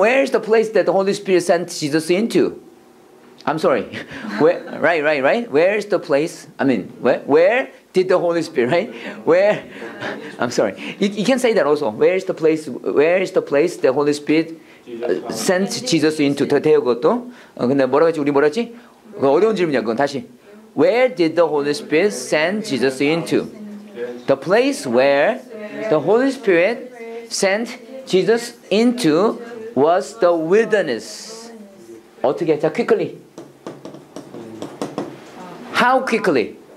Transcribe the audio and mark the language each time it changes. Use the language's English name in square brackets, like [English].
[English] Where is the place that the Holy Spirit sent Jesus into? I'm sorry. Where, right, right, right. Where is the place? I mean, where did the Holy Spirit, right? Where? I'm sorry. You can say that also. Where is the place? Where is the place the Holy Spirit sent Jesus into? [Korean] 더 대요 그것도. 근데 뭐라고 했지? 우리 뭐라고 했지? 어려운 질문이야, 그건 다시. [English] Where did the Holy Spirit send Jesus into? The place where the Holy Spirit sent Jesus into was the wilderness. [Korean] 어떻게? 자, [English] quickly. How quickly?